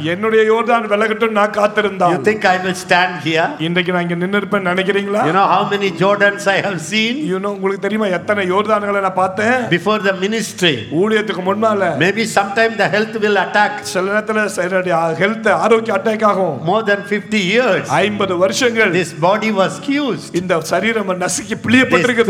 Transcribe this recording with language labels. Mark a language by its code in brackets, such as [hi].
[ta] என்னுடைய யோர்தான் விலகட்டும் நான் காத்திருந்தா. [en] You think I will stand here? [ta] இன்றைக்கு நான் இங்க நின்னுருப்பேன் நினைக்கிறீங்களா? [en] You know how many Jordans I have seen? You know [ta] உங்களுக்கு தெரியுமா எத்தனை யோர்தான்களை நான் பார்த்தேன்? [en] Before the ministry. [ta] ஊழியத்துக்கு முன்னால. [en] Maybe sometime the health will attack. [ta] சில நேரத்துல சரியா health ஆரோக்கிய அட்டாக் ஆகும். [en] More than 50 years. [ta] 50 வருஷங்கள். [en] This body was used. [ta] இந்த சரீரம் நசுக்கி பிழியப்பட்டிருக்கிறது.